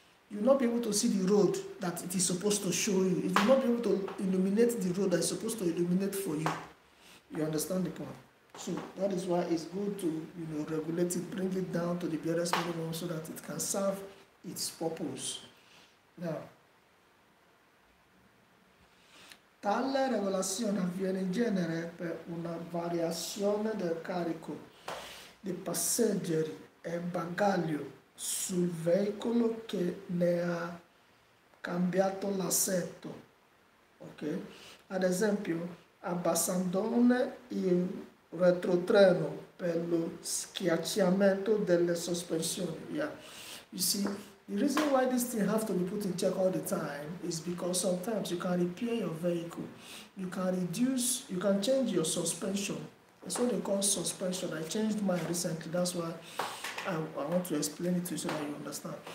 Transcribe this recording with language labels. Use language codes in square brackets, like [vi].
[en] You will not be able to see the road that it is supposed to show you. It will not be able to illuminate the road that is supposed to illuminate for you. You understand the point? So that is why it's good to, you know, regulate it, bring it down to the barest minimum, so that it can serve its purpose. [it] Now, tale regolazione avviene in genere per una variazione del carico di passeggeri e bagaglio sul veicolo che ne ha cambiato l'assetto. Ok? Ad esempio, abbassandone il retrotreno per lo schiacciamento delle sospensioni. [en] Yeah. You see, the reason why this thing has to be put in check all the time is because sometimes you can repair your vehicle. You can change your suspension. That's what they call suspension. I changed mine recently. That's why I want to explain it to you so that you understand.